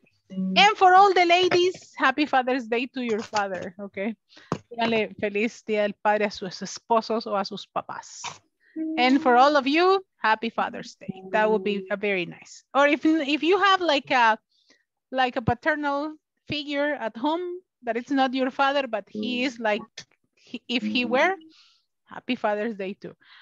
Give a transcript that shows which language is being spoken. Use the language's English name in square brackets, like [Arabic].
[English] And for all the ladies, happy Father's Day to your father, okay? [Spanish] Díganle feliz día del padre a sus esposos o a sus papás. [English] And for all of you, happy Father's Day. That would be a very nice. Or if you have like a paternal figure at home, that it's not your father, but he is like, if he were, happy Father's Day too.